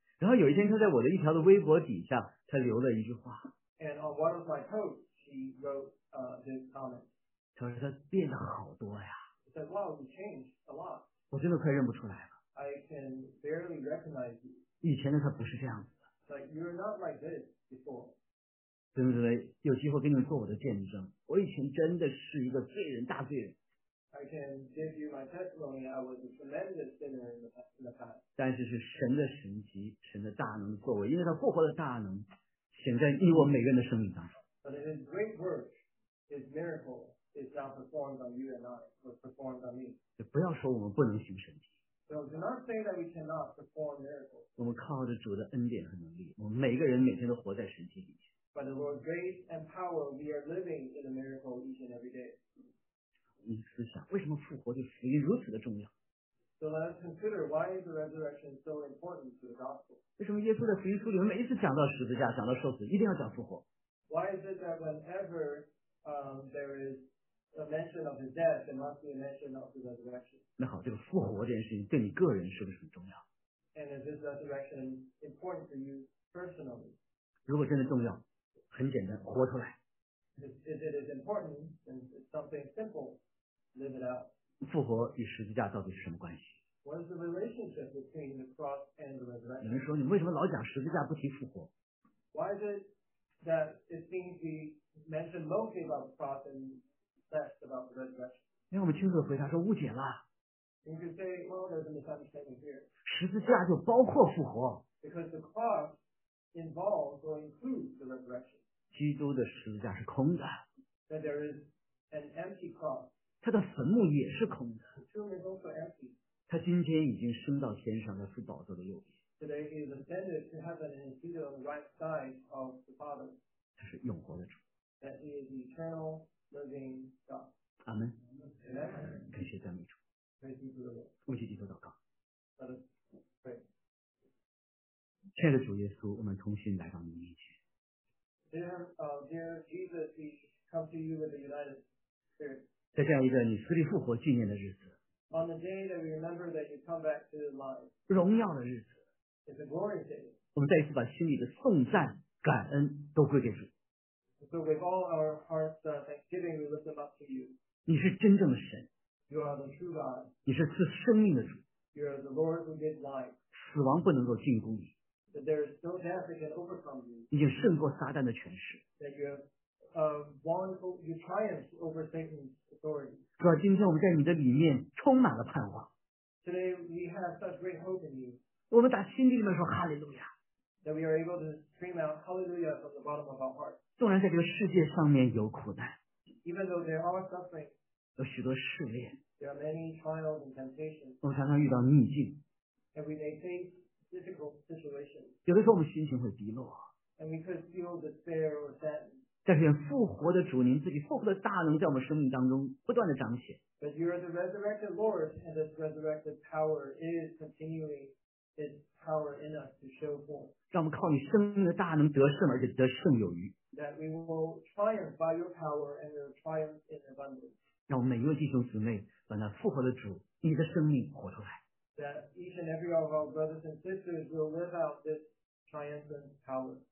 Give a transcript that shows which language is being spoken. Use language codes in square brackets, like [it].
[zh] 然后有一天，他在我的一条的微博底下，他留了一句话。 [en] And on one of my posts, she wrote this comment. [zh] 他说他变得好多呀。 [en] He said, "Wow, you changed a lot." [zh] 我真的快认不出来了。 [en] I can barely recognize you. [zh] 以前的他不是这样子的。 [en] But you're not like this before. [zh] 真的有机会给你们做我的见证我以前真的是一个罪人大罪人 [en] I can give you my testimony I was a tremendous sinner in the past [zh] 但是是神的神迹神的大能作为因为他复活的大能显在你我每个人的生命当中 [en] But in his great work his miracle is now performed on you and I was performed on me [zh] 不要说我们不能行神迹 [en] So do not say that we cannot perform miracles [zh] 我们靠着主的恩典和能力我们每个人每天都活在神迹里面 [en] By the Lord's grace and power, we are living in a miracle each and every day. [zh] 你思想为什么复活对福音如此的重要 [en] So let us consider why is the resurrection so important to the gospel? [zh] 为什么耶稣在福音书里面每一次讲到十字架讲到受死一定要讲复活 [en] Why is it that whenever there is a mention of his death, there must be a mention of the resurrection? [zh] 那好这个复活这件事情对你个人是不是很重要 [en] And is this resurrection important for you personally? [zh] 如果真的重要很简单活出来 [en] If it is important then it's something simple live it out [zh] 复活与十字架到底是什么关系 [en] What is the relationship between the cross and the resurrection [zh] 有人说你为什么老讲十字架不提复活 [en] Why is it that it seems to be mentioned mostly about the cross and less about the resurrection [zh] 因为我们清楚的回答说误解了 [en] You can say well there's a misunderstanding here [zh] 十字架就包括复活 [en] Because the crossinvolves or includes the resurrection. [zh] 基督的十字架是空的。 [en] That there is an empty cross. [zh] 他的坟墓也是空的。 [en] The tomb is also empty. [zh] 他今天已经升到天上，他是宝座的右边。 [en] Today he is ascended to heaven and seated on the right side of the Father. [zh] 他是永活的主。 [en] That he is eternal living God. [zh] 阿门。 [en] Amen. [zh] 感谢赞美主。 [en] Praise be to the Lord. [zh] 为基督祷告。 [en] Let us pray. [zh] 亲爱的主耶稣，我们同心来到你面前。 [en] Dear Jesus, we come to you with a united spirit. [zh] 在这样一个你死里复活纪念的日子。 [en] On the day that we remember that you come back to this life. [zh] 荣耀的日子。 [en] It's a glorious day. [zh] 我们再一次把心里的颂赞、感恩都归给主。 [en] So with all our hearts, thanksgiving, we lift them up to you. [zh] 你是真正的神。 [en] You are the true God. [zh] 你是赐生命的主。 [en] You are the Lord who gives life. [zh] 死亡不能够进攻你。 [en] That there is no death that can overcome you. [zh] 已经胜过撒旦的权势。 [en] That you have won, you triumphed over Satan's authority. [zh] 主啊，今天我们在你的里面充满了盼望。 [en] Today we have such great hope in you. [zh] 我们打心底里面说哈利路亚。 [en] That we are able to scream out hallelujah from the bottom of our heart. [zh] 纵然在这个世界上面有苦难。 [en] Even though there are suffering. [zh] 有许多试炼。 [en] There are many trials and temptations. [zh] 我们常常遇到逆境。 [en] And we may face difficult situations. [zh] 有的时候我们心情会低落。 [en] And we could feel despair or sadness. [zh] 但是复活的主，您自己复活的大能在我们生命当中不断的彰显。 [en] But you are the resurrected Lord, and this resurrected power is continuing its power in us to show forth. [zh] 让我们靠你生命的大能得胜，而且得胜有余。 [en] That we will triumph by your power and your triumph in abundance. [zh] 让我们每一位弟兄姊妹把那复活的主，你的生命活出来。 [en] That each and every one of our brothers and sisters will live out this triumphant power.